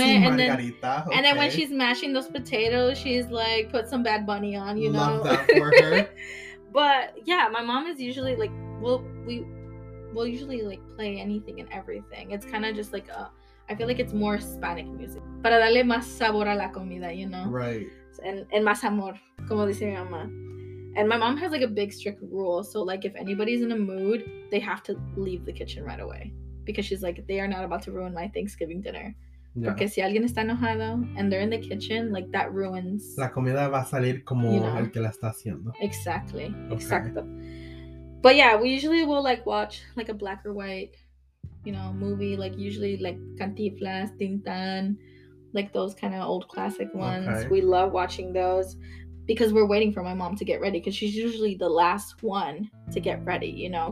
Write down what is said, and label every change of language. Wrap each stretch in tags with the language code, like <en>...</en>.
<en>And then when she's mashing those potatoes, she's put some Bad Bunny on, you love know. Love that for her. But yeah, my mom is usually we'll usually play anything and everything. It's kind of just I feel it's more Hispanic music.</en> <es>Para darle más sabor a la comida,</es> <en>you know. Right. And</en> <es>más amor, como dice mi mamá.</es> <en>And my mom has a big strict rule. So if anybody's in a mood, they have to leave the kitchen right away. Because she's they are not about to ruin my Thanksgiving dinner. Yeah.</en> <es>Porque si alguien está enojado</es> <en>and they're in the kitchen, that ruins.</en> <es>La comida va a salir como el que la está haciendo.</es> <en>Exactly. Okay.</en> <es>Exacto.</es> <en>But yeah, we usually will watch a black or white, movie. Usually Cantinflas, Tintan, those kind of old classic ones. Okay. We love watching those. Because we're waiting for my mom to get ready. Because she's usually the last one to get ready, you know.</en>